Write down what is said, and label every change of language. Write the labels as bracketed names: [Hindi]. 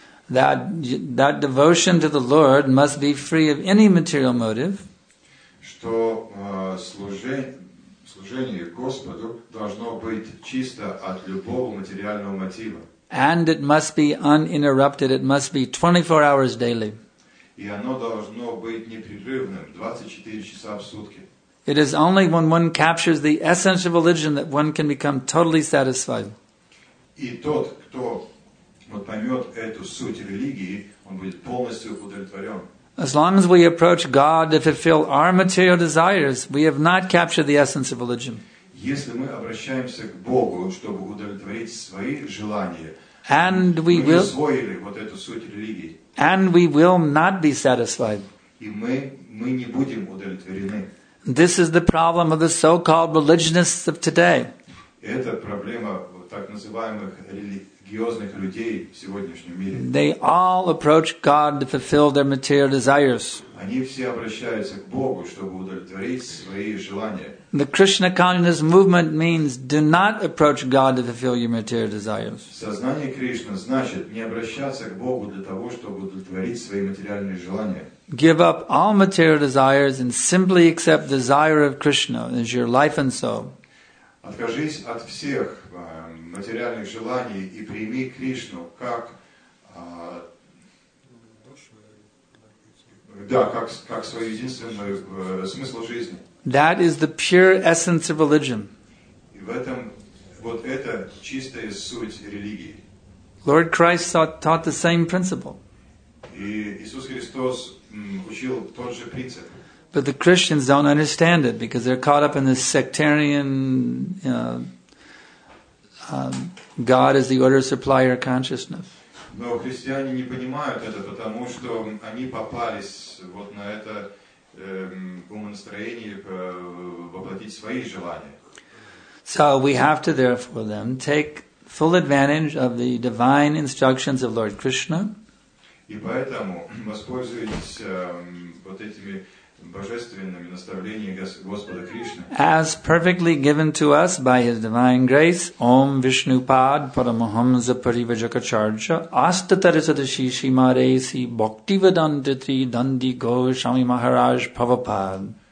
[English] That devotion to the Lord must be free of any material motive. [Russian] Что служение Господу должно быть чисто от любого материального мотива. [English] And it must be uninterrupted. It must be 24 hours daily. [Russian] И оно должно быть непрерывным 24 часа в сутки. [English] It is only when one captures the essence of religion that one can become totally satisfied. [Russian] И тот, кто вот поймет эту суть религии, он будет полностью удовлетворен. [English] As long as we approach God to fulfill our material desires, we have not captured the essence of religion. [Russian] Если мы обращаемся к Богу, чтобы удовлетворить свои желания, [English] and we will, [Russian] мы усвоили вот эту суть религии. [English] And we will not be satisfied. [Russian] И мы не будем удовлетворены. [English] This is the problem of the so-called religionists of today. [Russian] Это проблема так называемых религий. [English] They all approach God to fulfill their material desires. [Russian] Они все обращаются к Богу, чтобы удовлетворить свои желания. [English] The Krishna consciousness movement means do not approach God to fulfill your material desires. [Russian] Сознание Кришны значит не обращаться к Богу для того, чтобы удовлетворить свои материальные желания. [English] Give up all material desires and simply accept desire of Krishna as your life and soul. [Russian] Откажись от всех материальных желаний и прими Кришну как свой единственный смысл жизни. [English] That is the pure essence of religion. [Russian] И в этом вот это чистая суть религии. [English] Lord Christ taught the same principle. [Russian] И Иисус Христос учил тот же принцип. [English] But the Christians don't understand it because they're caught up in this sectarian, God is the order supplier consciousness. [Russian] Но христиане не понимают это, потому что они попались вот на это умонастроение воплотить свои желания. [English] So we have to therefore then take full advantage of the divine instructions of Lord Krishna. [Russian] И поэтому воспользуйтесь вот этими божественными наставлениями Господа Кришны. [English] As perfectly given to us by His divine grace, Om Vishnupad Paramahamsa Parivajakacharya Astatarasadashishi Maresi Bhaktivedantitri Dandi Goswami Maharaj Prabhupada.